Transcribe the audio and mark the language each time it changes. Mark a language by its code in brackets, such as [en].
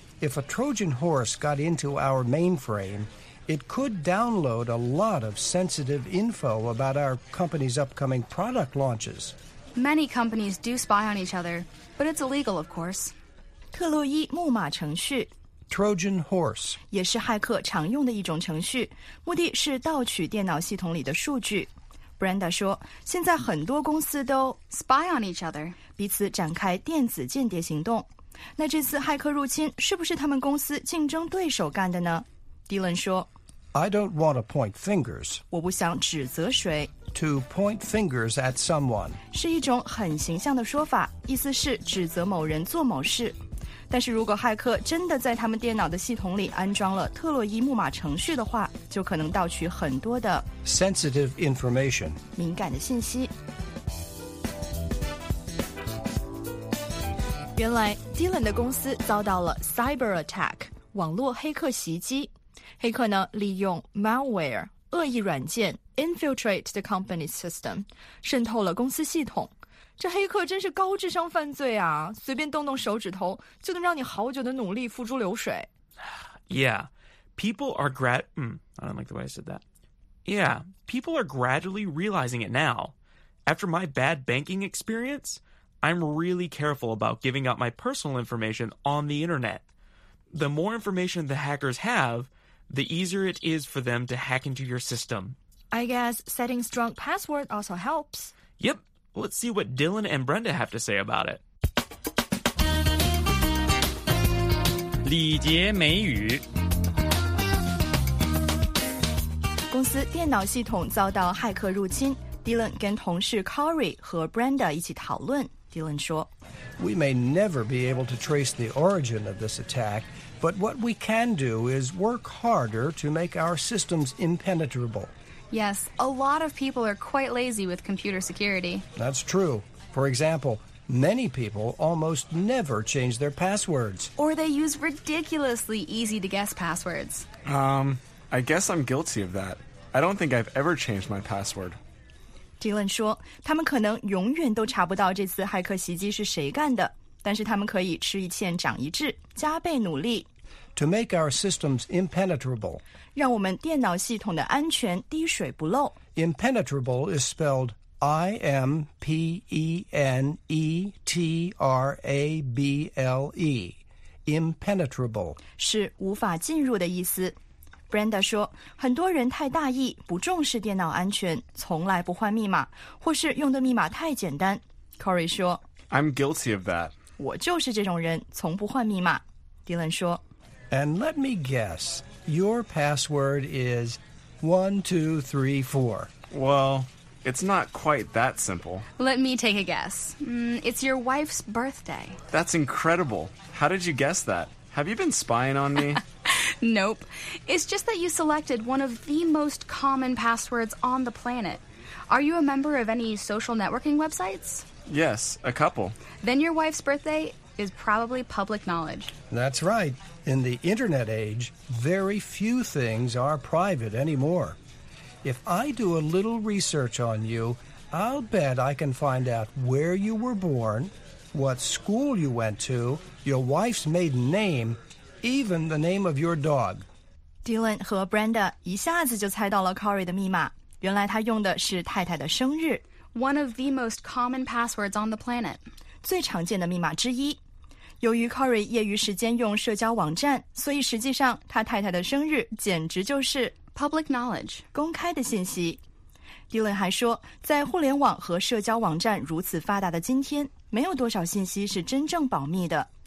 [en] If a Trojan horse got into our mainframe, it could download a lot of sensitive info about our company's upcoming product launches. Many companies do spy on each other, but it's illegal, of course. [zh] 特洛伊木马程序 [en] Trojan horse [zh] 也是骇客常用的一种程序，目的是盗取电脑系统里的数据。 Brenda 说，现在很多公司都 [en] spy on each other, [zh] 彼此展开电子间谍行动。那这次骇客入侵是不是他们公司竞争对手干的呢？ Dylan 说， [en] I don't want to point fingers. [zh] 我不想指责谁。 [en] To point fingers at someone [zh] 是一种很形象的说法，意思是指责某人做某事。但是如果骇客真的在他们电脑的系统里安装了特洛伊木马程序的话，就可能盗取很多的 [en] sensitive information [zh] 敏感的信息。原来 Dylan 的公司遭到了 cyber attack 网络黑客袭击，黑客呢利用 malware 恶意软件。 [en] Infiltrate the company's system, [zh] 渗透了公司系统。这黑客真是高智商犯罪啊，随便动动手指头就能让你好久的努力付诸流水。 [en] Yeah, people are I don't like the way I said that. Yeah, people are gradually realizing it now. After my bad banking experience, I'm really careful about giving out my personal information on the internet. The more information the hackers have, the easier it is for them to hack into your system. I guess setting strong password also helps. Yep. Let's see what Dylan and Brenda have to say about it. [zh] 礼节美语。公司电脑系统遭到骇客入侵。Dylan 跟同事 Corey 和 Brenda 一起讨论。 Dylan 说 [en] We may never be able to trace the origin of this attack, but what we can do is work harder to make our systems impenetrable. Yes, a lot of people are quite lazy with computer security. That's true. For example, many people almost never change their passwords. Or they use ridiculously easy-to-guess passwords. I guess I'm guilty of that. I don't think I've ever changed my password. [zh] Dylan 说，他们可能永远都查不到这次骇客袭击是谁干的，但是他们可以吃一堑长一智，加倍努力。 [en] To make our systems impenetrable. [zh] 让我们电脑系统的安全滴水不漏。 [en] Impenetrable is spelled I-M-P-E-N-E-T-R-A-B-L-E. Impenetrable. [zh] 是无法进入的意思。 Brenda 说，很多人太大意，不重视电脑安全，从来不换密码，或是用的密码太简单。 Corey 说 [en] I'm guilty of that. [zh] 我就是这种人，从不换密码。 Dylan 说 [en] And let me guess, your password is 1234. Well, it's not quite that simple. Let me take a guess. It's your wife's birthday. That's incredible. How did you guess that? Have you been spying on me? Nope. It's just that you selected one of the most common passwords on the planet. Are you a member of any social networking websites? Yes, a couple. Then your wife's birthday is probably public knowledge. That's right. In the internet age, very few things are private anymore. If I do a little research on you, I'll bet I can find out where you were born, what school you went to, your wife's maiden name, even the name of your dog. [zh] Dylan 和 Brenda 一下子就猜到了 Corey 的密码，原来他用的是太太的生日。 [en] One of the most common passwords on the planet. [zh] 最常见的密码之一。由于 Corey 业余时间用社交网站，所以实际上他太太的生日简直就是 [en] public knowledge, [zh] 公开的信息。 Dylan 还说，在互联网和社交网站如此发达的今天，没有多少信息是真正保密的。